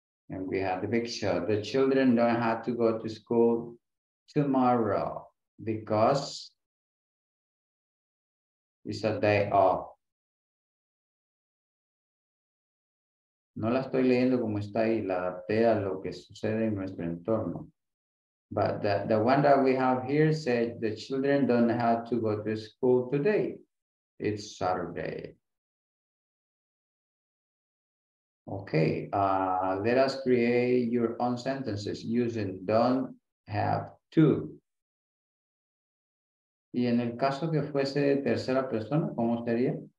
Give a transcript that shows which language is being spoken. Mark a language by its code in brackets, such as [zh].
[en] And we have the picture. The children don't have to go to school tomorrow because it's a day off. [es] No la estoy leyendo como está ahí, la adapté a lo que sucede en nuestro entorno. [en] But the one that we have here said the children don't have to go to school today. It's Saturday. Okay, let us create your own sentences using don't have to. [es] Y en el caso que fuese tercera persona, ¿cómo sería?